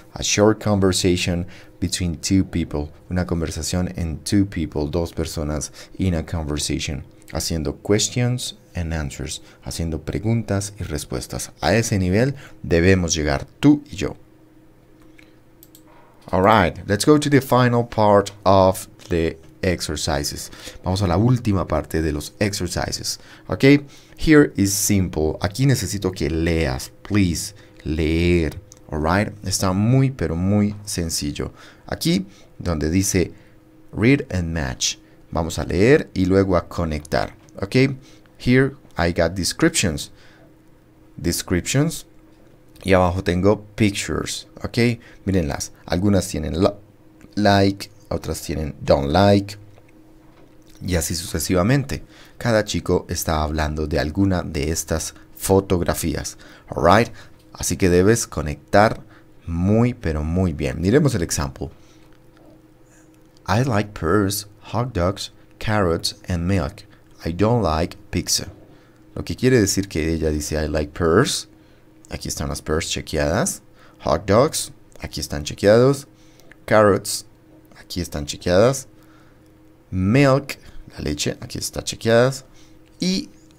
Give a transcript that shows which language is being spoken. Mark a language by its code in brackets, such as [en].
[en] A short conversation between two people. [es] Una conversación en [en] two people, [es] dos personas [en] in a conversation. [es] Haciendo [en] questions and answers. [es] Haciendo preguntas y respuestas. A ese nivel debemos llegar tú y yo. [en] Alright, let's go to the final part of the exercises. [es] Vamos a la última parte de los exercises. [en] Ok, here is simple. [es] Aquí necesito que leas, [en] please. [es] Leer, alright. Está muy, pero muy sencillo. Aquí, donde dice [en] read and match, [es] vamos a leer y luego a conectar. [en] Ok, here I got descriptions. Descriptions. [es] Y abajo tengo pictures. Ok, mírenlas. Algunas tienen like, otras tienen [en] don't like. [es] Y así sucesivamente. Cada chico está hablando de alguna de estas fotografías. Alright. Así que debes conectar muy, pero muy bien. Miremos el ejemplo. [en] I like pears, hot dogs, carrots and milk. I don't like pizza. [es] Lo que quiere decir que ella dice [en] I like pears. [es] Aquí están las pears chequeadas. Hot dogs. Aquí están chequeados. Carrots. Aquí están chequeadas. Milk. La leche. Aquí está chequeadas. Y